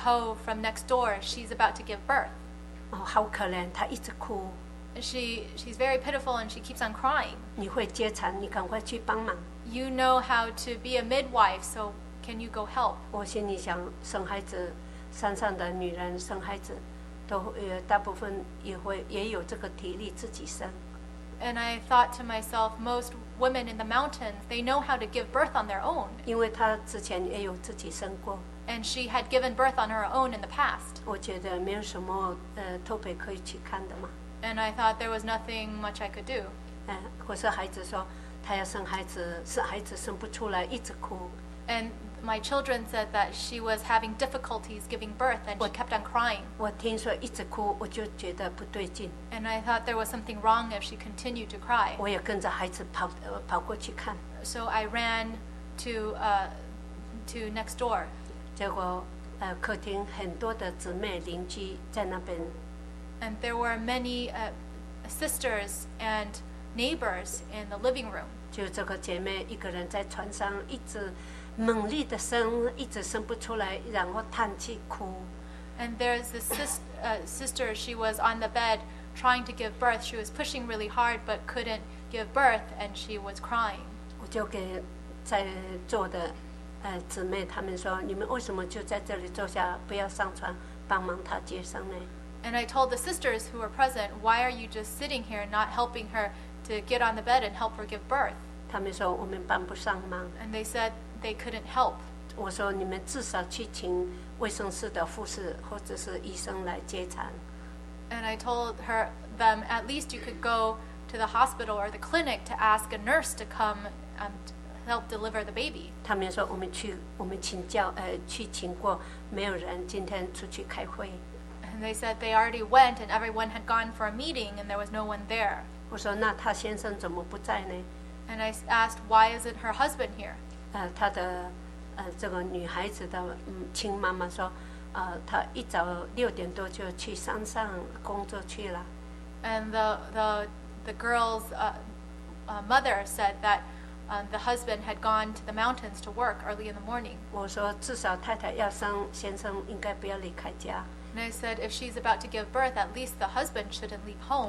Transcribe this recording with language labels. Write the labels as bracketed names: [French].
[English] Ho from next door, she's about to give birth. [Chinese] 哦，好可怜，她一直哭。 [English] She's very pitiful and she keeps on crying. [Chinese] 你会接产，你赶快去帮忙。 [English] You know how to be a midwife, so can you go help? [Chinese] 我心里想生孩子。山上的女人生孩子都大部分也有这个体力自己生 [English] and I thought to myself most women in the mountains they know how to give birth on their own [Chinese] 因为她之前也有自己生过 [English] and she had given birth on her own in the past [Chinese] 我觉得没有什么特别可以去看的嘛 [English] and I thought there was nothing much I could do [Chinese] 可是孩子说她要生孩子是孩子生不出来一直哭 [English] andMy children said that she was having difficulties giving birth and she kept on crying. [Chinese] 我听说一直哭，我就觉得不对劲。 [English] And I thought there was something wrong if she continued to cry. [Chinese] 我也跟着孩子跑过去看。 [English] So I ran to next door. [Chinese] 结果客厅很多的姊妹邻居在那边。 [English] And there were many sisters and neighbors in the living room. [Chinese] 就这个姐妹一个人在床上一直猛烈的生，一直生不出来，然后叹气哭。 [English] And there's this sister, she was on the bed trying to give birth. She was pushing really hard but couldn't give birth and she was crying. [Chinese] 我就给在座的姊妹她们说，你们为什么就在这里坐下，不要上床帮忙她接生呢？ [English] And I told the sisters who were present, why are you just sitting here not helping her to get on the bed and help her give birth? [Chinese] 她们说我们帮不上忙。 [English] And they said,They couldn't help. [Chinese] 我说你们至少去请卫生室的护士或者是医生来接产。 [English] And I told them at least you could go to the hospital or the clinic to ask a nurse to come and help deliver the baby. [Chinese] 他们说我们请教去请过，没有人今天出去开会。 [English] And they said they already went and everyone had gone for a meeting and there was no one there. [Chinese] 我说那他先生怎么不在呢 [English] ？And I asked why isn't her husband here? [Chinese] 她的这个女孩子的亲妈妈说她一早六点多就去山上工作去了 [English] and the girl's mother said that The husband had gone to the mountains to work early in the morning. [Chinese] 我说至少太太要生，先生应该不要离开家。 [English] And I said, if she's about to give birth, at least the husband shouldn't leave home.